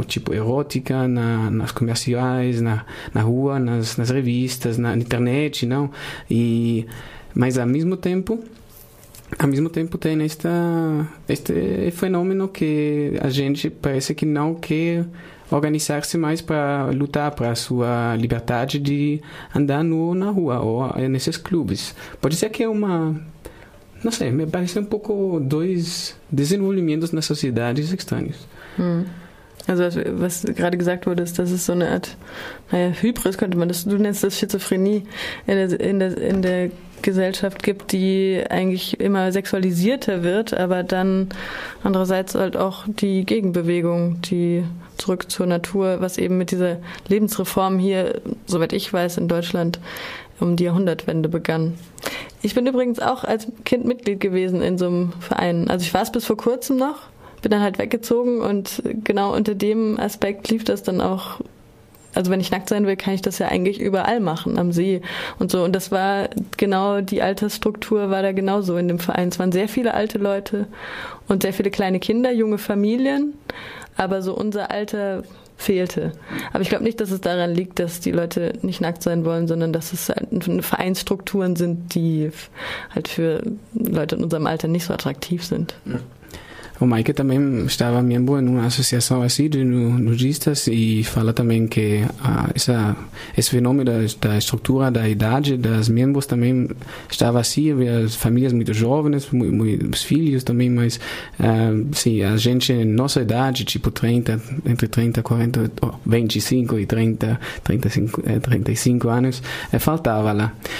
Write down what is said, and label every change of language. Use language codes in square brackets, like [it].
[pt] erótica nas comerciais, na rua, nas revistas, na internet, não, e mas ao mesmo tempo tem este fenômeno que a gente parece que não quer organizar-se mais para lutar para a sua liberdade de andar nu na rua ou nesses clubes. Pode ser que é uma... Não sei, me parece um pouco dois desenvolvimentos nas sociedades estranhos. [de] Also was gerade gesagt wurde, ist, dass es so eine Art, naja, Hybris könnte man, du nennst das Schizophrenie, in der Gesellschaft gibt, die eigentlich immer sexualisierter wird, aber dann andererseits halt auch die Gegenbewegung, die zurück zur Natur, was eben mit dieser Lebensreform hier, soweit ich weiß, in Deutschland um die Jahrhundertwende begann. Ich bin übrigens auch als Kind Mitglied gewesen in so einem Verein. Also ich war es bis vor kurzem noch, bin dann halt weggezogen und genau unter dem Aspekt lief das dann auch. Also wenn ich nackt sein will, kann ich das ja eigentlich überall machen, am See und so. Und das war genau, die Altersstruktur war da genauso in dem Verein. Es waren sehr viele alte Leute und sehr viele kleine Kinder, junge Familien, aber so unser Alter fehlte. Aber ich glaube nicht, dass es daran liegt, dass die Leute nicht nackt sein wollen, sondern dass es Vereinsstrukturen sind, die halt für Leute in unserem Alter nicht so attraktiv sind. Ja. [pt] O Mike também estava membro em uma associação assim de nudistas e fala também que esse fenômeno da estrutura da idade das membros também estava assim, havia as famílias muito jovens, muitos filhos também, mas sim, a gente nossa idade, tipo 30, entre 30, 40, 25 e 30, 35, 35 anos, faltava lá.